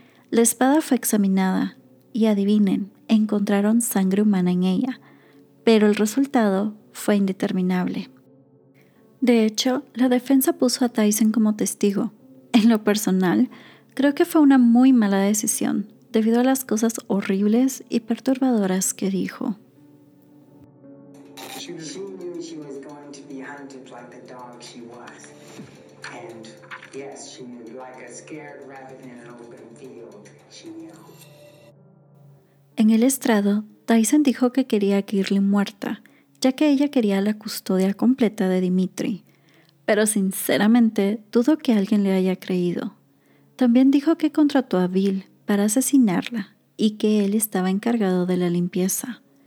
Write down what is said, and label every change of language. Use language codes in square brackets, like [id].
[es] La espada fue examinada y adivinen, encontraron sangre humana en ella, pero el resultado fue indeterminable. De hecho, la defensa puso a Dyson como testigo. En lo personal, creo que fue una muy mala decisión debido a las cosas horribles y perturbadoras que dijo. [en] She knew she was going to be hunted like the dog she was. And yes, she knew, like a scared rabbit in an open field, she knew. [es] En el estrado, Dyson dijo que quería a Girly muerta, ya que ella quería la custodia completa de Dimitri. Pero sinceramente, dudo que alguien le haya creído. También dijo que contrató a Bill para asesinarla y que él estaba encargado de la limpieza.